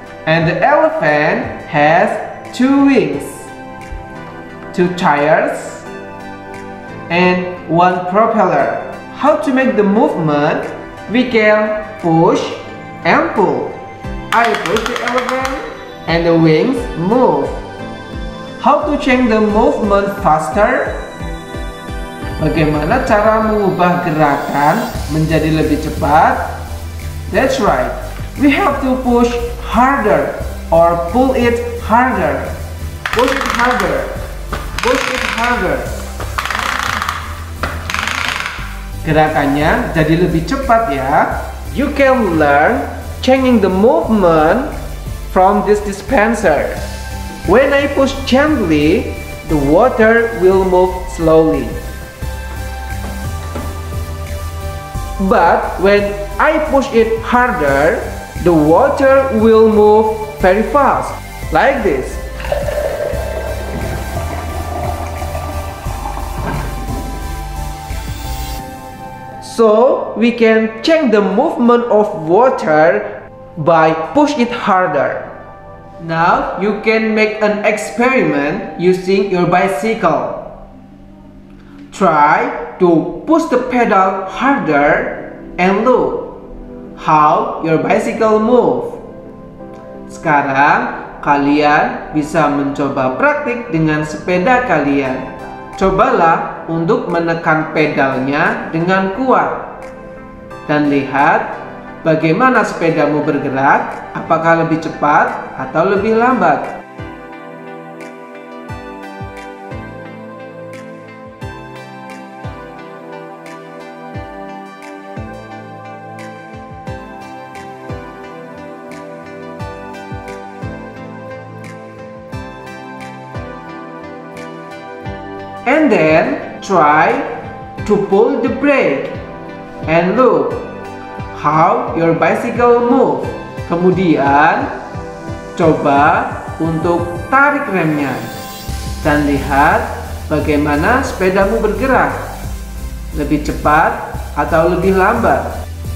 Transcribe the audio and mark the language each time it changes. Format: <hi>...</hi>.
<en>And the elephant has two wings, two tires, and one propeller. How to make the movement? We can push and pull. I push the elephant and the wings move. How to change the movement faster?</en> <id>Bagaimana cara mengubah gerakan menjadi lebih cepat?</id> <en>That's right. We have to push harder or pull it harder. Push it harder. Push it harder.</en> <id>Gerakannya jadi lebih cepat ya.</id> <en>You can learn changing the movement from this dispenser. When I push gently, the water will move slowly. But when I push it harder, the water will move very fast, like this. So, we can change the movement of water by push it harder. Now, you can make an experiment using your bicycle. Try to push the pedal harder and look how your bicycle move.</en> <id>Sekarang, kalian bisa mencoba praktik dengan sepeda kalian. Cobalah untuk menekan pedalnya dengan kuat. Dan lihat bagaimana sepedamu bergerak, apakah lebih cepat atau lebih lambat.</id> <en>And then try to pull the brake and look how your bicycle move.</en> <id>Kemudian coba untuk tarik remnya dan lihat bagaimana sepedamu bergerak, lebih cepat atau lebih lambat.</id>